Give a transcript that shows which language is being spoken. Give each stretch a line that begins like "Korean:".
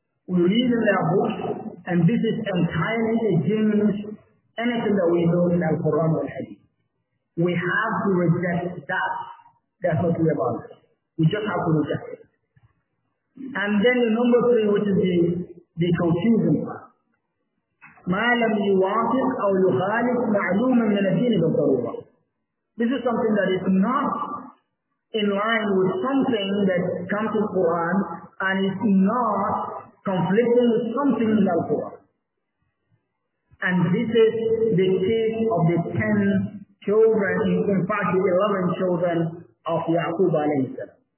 English: We read in their books, and this is entirely against anything that we know in Al-Quran or Hadith. We have to reject that. That's not the about it. We just have to reject it. And then the number three, which is the confusing part.
Arabic: ما لم يوافق أو يخالف معلوما من الدين بالضرورة.
English: This is something that is not in line with something that comes from Quran and is not conflicting with something in the Quran. And this is the case of the 10 children, in fact the 11 children of Yaqub alayhi salam.